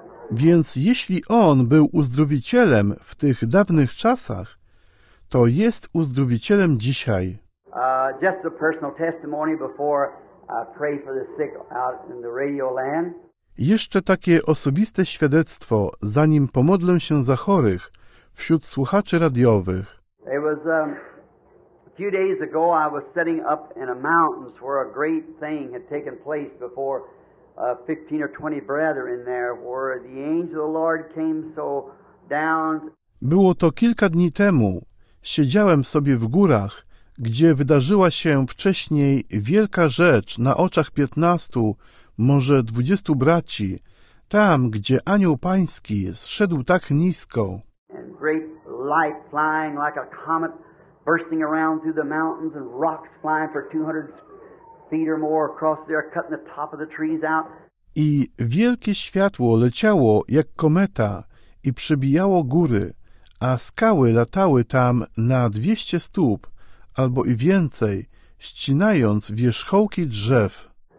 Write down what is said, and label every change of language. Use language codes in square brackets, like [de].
[pl] Więc jeśli On był uzdrowicielem w tych dawnych czasach, to jest uzdrowicielem dzisiaj. [en] Just a personal testimony before I pray for the sick out in the radio land. [pl] Jeszcze takie osobiste świadectwo, zanim pomodlę się za chorych, wśród słuchaczy radiowych. [en] It was a few days ago I was setting up in a mountains where a great thing had taken place before 15 or 20 brethren there, where the angel of the Lord came so down. [pl] Było to kilka dni temu. Siedziałem sobie w górach, gdzie wydarzyła się wcześniej wielka rzecz na oczach 15, może 20 braci, tam, gdzie anioł Pański zszedł tak nisko. [en] And great light flying like a comet bursting around through the mountains and rocks flying for 200 feet or more across there, cutting the top of the trees out. [pl] I wielkie światło leciało jak kometa i przebijało góry, a skały latały tam na 200 stóp, albo i więcej, ścinając wierzchołki drzew.